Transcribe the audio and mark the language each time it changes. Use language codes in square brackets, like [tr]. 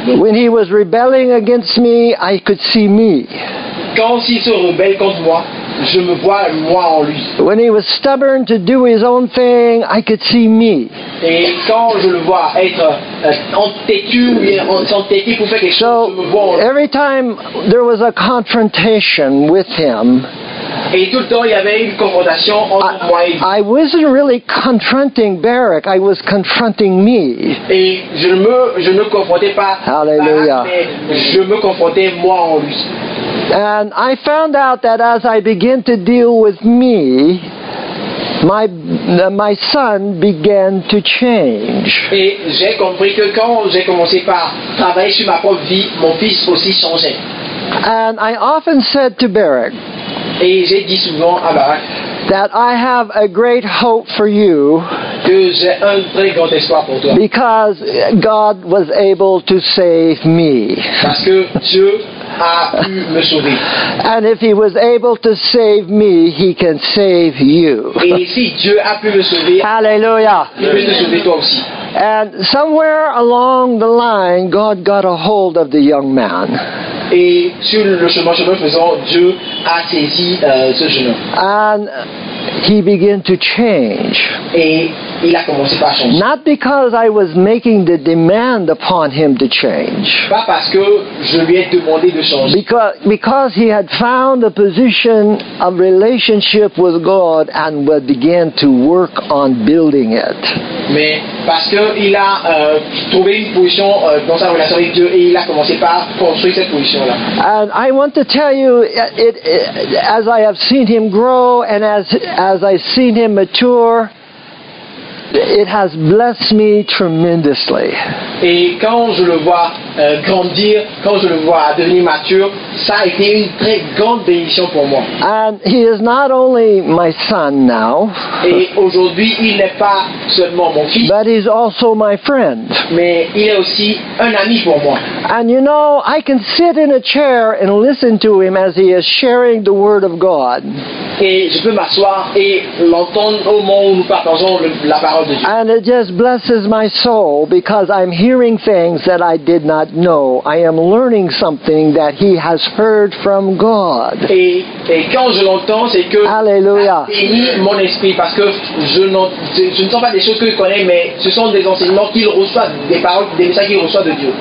[en] When he was rebelling against me, I could see me. [fr] Quand il se rebelle contre moi, je me vois moi en lui. [en] When he was stubborn to do his own thing, I could see me. [fr] Et quand je le vois être entêté pour faire quelque chose, je me vois en lui. [en] Every time there was a confrontation with him, [fr] et tout le temps il y avait une confrontation entre moi et lui. [en] I wasn't really confronting Barak, I was confronting me. [fr] Et je ne confrontais pas Barak, mais je me confrontais moi en lui. [en] And I found out that as I begin to deal with me, my son began to change. [fr] Et j'ai compris que quand j'ai commencé par travailler sur ma propre vie, mon fils aussi changeait. [en] And I often said to Barak, [fr] et j'ai dit souvent à Barak, [en] that I have a great hope for you. [fr] que j'ai un très grand espoir pour toi. [en] Because God was able to save me. [fr] Parce que Dieu a pu me sauver. [en] And if he was able to save me, he can save you. [fr] Et si Dieu a pu me sauver, hallelujah. Il peut te sauver toi aussi. [en] And somewhere along the line, God got a hold of the young man. [fr] Et sur le chemin faisant, Dieu a saisi ce jeune homme. [en] And he began to change. [fr] Et il a commencé par changer. [en] Not because I was making the demand upon him to change. [fr] Pas parce que je lui ai demandé de changer. [en] Because he had found a position of relationship with God and would begin to work on building it. [fr] Mais parce que il a trouvé une position dans sa relation avec Dieu et il a commencé par construire cette position. [en] And I want to tell you, as I have seen him grow and as I've seen him mature, it has blessed me tremendously. [fr] Et quand je le vois grandir, quand je le vois devenir mature, ça a été une très grande bénédiction pour moi. [en] And he is not only my son now. [fr] Et aujourd'hui, il n'est pas seulement mon fils. [en] But he's also my friend. [fr] Mais il est aussi un ami pour moi. [en] And you know, I can sit in a chair and listen to him as he is sharing the word of God. [fr] Et je peux m'asseoir et l'entendre au moment où nous partageons la parole. [en] And it just blesses my soul because I'm hearing things that I did not know. I am learning something that he has heard from God. [fr] Et quand je l'entends, c'est que hallelujah. Ça bénit mon esprit parce que je ne sens pas des choses que je connais, mais ce sont des enseignements qu'il reçoit, des paroles, des messages qu'il reçoit de Dieu.